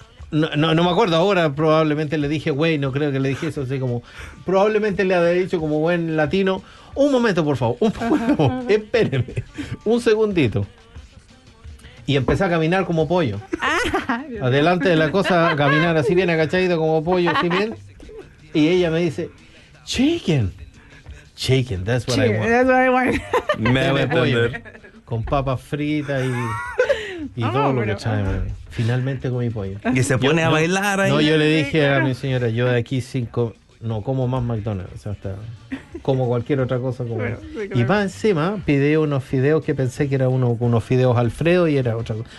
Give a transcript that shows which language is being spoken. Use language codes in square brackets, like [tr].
[es] No me acuerdo ahora, probablemente le dije, güey, no creo que le dije eso, así como, probablemente le había dicho como buen latino, un momento, por favor, espéreme, un segundito. Y empecé a caminar como pollo. Adelante de la cosa, a caminar así bien agachadito como pollo, así bien. Y ella me dice, [en] chicken, that's what I want. [es] Me voy a poner. Con papas fritas y todo lo que trae, man. Finalmente comí pollo. Y se pone a bailar ahí. No, yo le dije a mi señora, yo de aquí cinco, no como más McDonald's, hasta como cualquier otra cosa. Como bueno, sí, claro. Y más encima, pide unos fideos que pensé que era unos fideos Alfredo y era otra cosa.